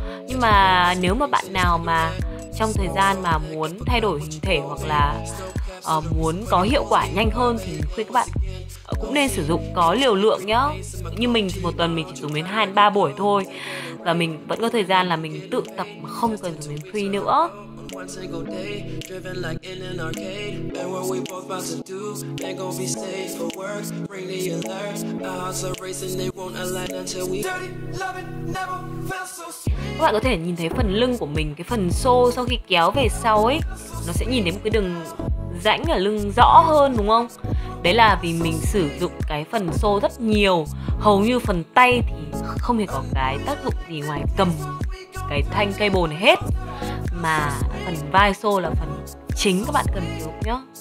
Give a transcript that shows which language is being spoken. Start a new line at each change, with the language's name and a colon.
Vietnamese: Nhưng mà nếu mà bạn nào mà trong thời gian mà muốn thay đổi hình thể hoặc là muốn có hiệu quả nhanh hơn thì khuyên các bạn cũng nên sử dụng có liều lượng nhá. Như mình thì một tuần mình chỉ dùng đến 2-3 buổi thôi, và mình vẫn có thời gian là mình tự tập mà không cần dùng đến free nữa.
English: One single day, driven like in an arcade. And what we both about to do, they gon' be safe for work. Bring the alert, our hearts are racing, they won't align until we dirty, loving, never felt so sweet.
Vietnamese: Các bạn có thể nhìn thấy phần lưng của mình, cái phần xô sau khi kéo về sau ấy, nó sẽ nhìn thấy một cái đường rãnh ở lưng rõ hơn đúng không? Đấy là vì mình sử dụng cái phần xô rất nhiều. Hầu như phần tay thì không hề có cái tác dụng gì ngoài cầm cái thanh cable này hết, mà phần vai xô là phần chính các bạn cần sử dụng nhá.